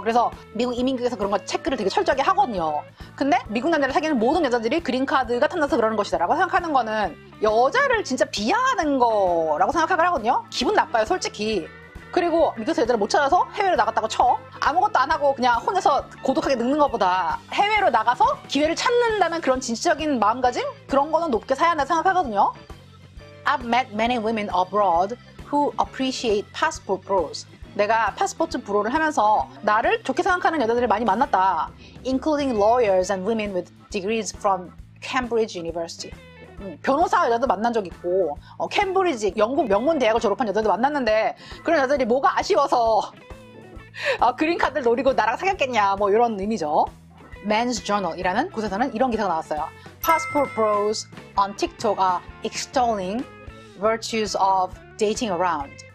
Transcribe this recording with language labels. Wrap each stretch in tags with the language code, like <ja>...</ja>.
<ko>그래서 미국 이민국에서 그런 거 체크를 되게 철저하게 하거든요. 근데 미국 남자를 사귀는 모든 여자들이 그린카드가 탐나서 그러는 것이다 라고 생각하는 거는 여자를 진짜 비하하는 거라고 생각을 하거든요. 기분 나빠요 솔직히. 그리고 미국에서 여자를 못 찾아서 해외로 나갔다고 쳐. 아무것도 안 하고 그냥 혼자서 고독하게 늙는 것보다 해외로 나가서 기회를 찾는다는 그런 진취적인 마음가짐? 그런 거는 높게 사야 한다고 생각하거든요.</ko> <en>I've met many women abroad who appreciate passport bros.</en> <ko>내가 파스포트 브로를 하면서 나를 좋게 생각하는 여자들을 많이 만났다.</ko> <en>Including lawyers and women with degrees from Cambridge University.</en> <ko>변호사 여자도 만난 적 있고 캠브리지 영국 명문 대학을 졸업한 여자도 만났는데 그런 여자들이 뭐가 아쉬워서 그린카드를 노리고 나랑 사귀었겠냐 뭐 이런 의미죠.</ko> <en>Men's Journal이라는</en> <ko>곳에서는 이런 기사가 나왔어요.</ko> <en>Passport bros on TikTok are extolling virtues of dating around.</en>